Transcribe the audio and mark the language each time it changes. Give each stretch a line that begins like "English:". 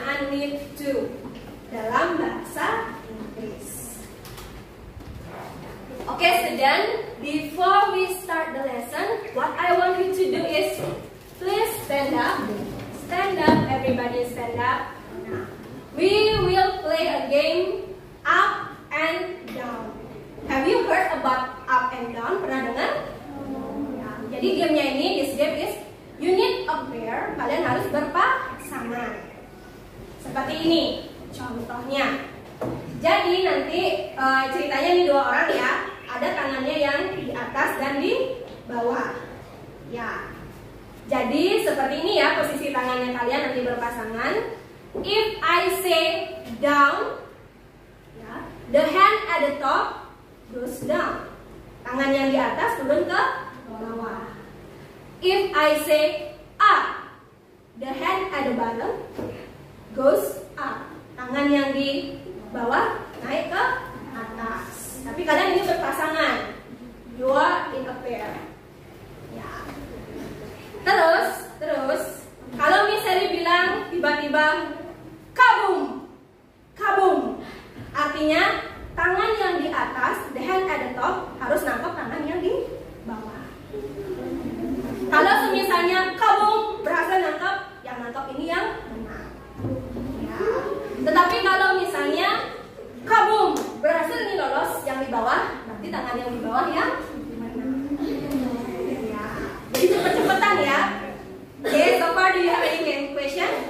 English: Need to
Indonesian: dalam bahasa Inggris.
English: Okay, so then before we start the lesson, what I want you to do is please stand up. Stand up, everybody, stand up. We will play a game up and down. Have you heard about up and down?
Indonesian: Pernah dengar? Jadi gamenya ini,
English: this game is you need a pair.
Indonesian: Kalian harus berpasangan. Seperti ini, contohnya. Jadi nanti ceritanya ini dua orang ya. Ada tangannya yang di atas dan di bawah. Ya. Jadi seperti ini ya posisi tangannya kalian nanti berpasangan.
English: If I say down, ya, the hand at the top goes down.
Indonesian: Tangan yang di atas turun ke bawah.
English: If I say up, the hand at the bottom goes up.
Indonesian: Tangan yang di bawah naik ke atas. Tapi kadang ini berpasangan.
English: You are in a pair.
Indonesian: Ya. Terus. Kalau misalnya bilang tiba-tiba kabum. Kabum. Artinya tangan yang di atas,
English: the hand at the top,
Indonesian: harus nangkep tangan yang di bawah. Kalau misalnya kabum berhasil nangkep, yang nangkep ini yang menang. Ya. Tetapi kalau misalnya kabum berhasil ini lolos yang di bawah, berarti tangan yang di bawah ya. Jadi cepet-cepetan ya.
English: Okay, so far do you have any game question?